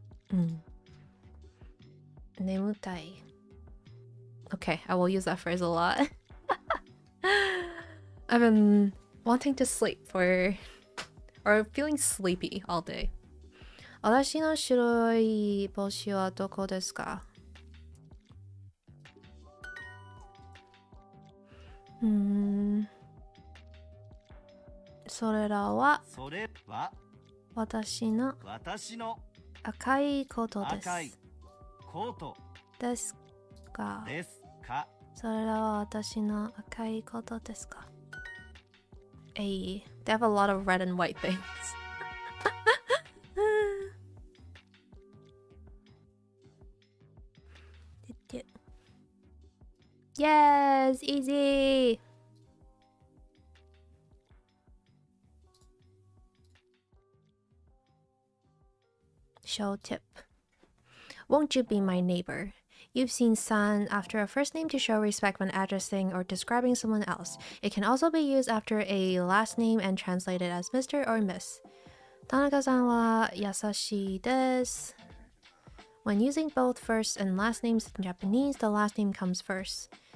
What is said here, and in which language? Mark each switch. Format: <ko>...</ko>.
<en>Okay, I will use that phrase a lot. I've been wanting to sleep or feeling sleepy all day.</en> <ja>私の白い帽子はどこですか？それは私の赤いコートです。赤いコートですか？です。それらは私の赤いことですか？</ja> <en>Hey, they have a lot of red and white things. Yes, easy! Show tip. Won't you be my neighbor? You've seen san after a first name to show respect when addressing or describing someone else. It can also be used after a last name and translated as Mr. or Miss.</en> <ja>田中さんは優しいです。</ja> <en>When using both first and last names in Japanese, the last name comes first.</en>